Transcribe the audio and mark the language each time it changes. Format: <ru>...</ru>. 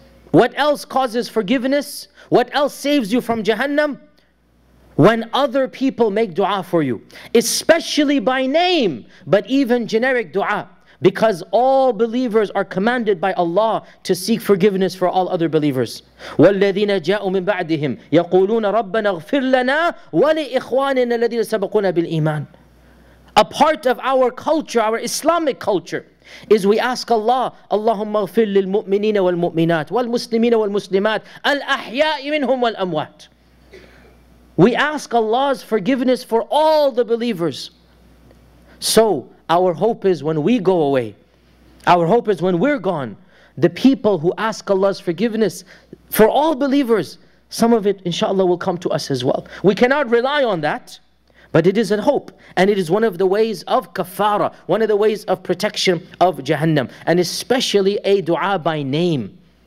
<en>What else causes forgiveness? What else saves you from Jahannam? When other people make dua for you, especially by name, but even generic dua. Because all believers are commanded by Allah to seek forgiveness for all other believers.</en> <ar>وَالَّذِينَ جَاءُوا مِن بَعْدِهِمْ يَقُولُونَ رَبَّنَا اغْفِرْ لَنَا وَلِإِخْوَانِنَا الَّذِينَ سَبَقُونَا بِالْإِيمَانِ</ar> <en>A part of our culture, our Islamic culture, is we ask Allah,</en> <ar>اللَّهُمَّ اغْفِرْ لِلْمُؤْمِنِينَ وَالْمُؤْمِنَاتِ وَالْمُسْلِمِينَ وَالْمُسْلِمَاتِ الْأَحْيَاءِ مِنْهُمْ وَالْأَمْوَاتِ</ar> <en>We ask Allah's forgiveness for all the believers. So, our hope is when we go away, our hope is when we're gone, the people who ask Allah's forgiveness for all believers, some of it, inshallah, will come to us as well. We cannot rely on that, but it is a hope. And it is one of the ways of kafara, one of the ways of protection of Jahannam, and especially a dua by name.</en>